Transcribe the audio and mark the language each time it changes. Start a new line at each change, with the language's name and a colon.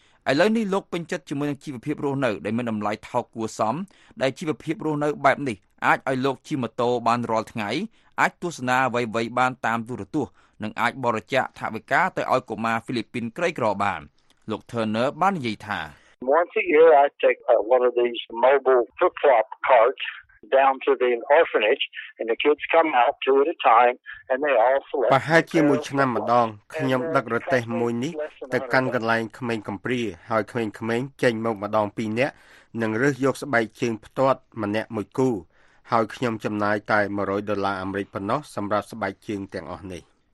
Khmer: ឥឡូវនេះលោកពេញចិត្តជាមួយនឹងជីវភាពរស់នៅដែលមានតម្លៃថោកគួរសមដែលជីវភាពរស់នៅបែបនេះអាចឲ្យលោកជិះម៉ូតូបានរាល់ថ្ងៃអាចទស្សនាអ្វីៗបានតាមទូរទស្សន៍និងអាចបរិច្ចាគថវិកាទៅឲ្យកុមារហ្វីលីពីនក្រីក្របានលោក Turner បាននិយាយថា
English: Once a year, I take one of these mobile flip-flop carts down to the orphanage, and the kids come out two at a time, and they all select.
Khmer: ប្រហែលជាមួយឆ្នាំម្ដងខ្ញុំដឹករទេះមួយនេះទៅកាន់កន្លែងក្មេងកំព្រាហើយក្មេងៗចេញមកម្ដងពីរនាក់និងរើសយកស្បែកជើងផ្ទាត់ម្នាក់មួយគូហើយខ្ញុំចំណាយតែ100ដុល្លារអាមេរិកប៉ុណ្ណោះសម្រាប់ស្បែកជើងទាំងអស់នេះ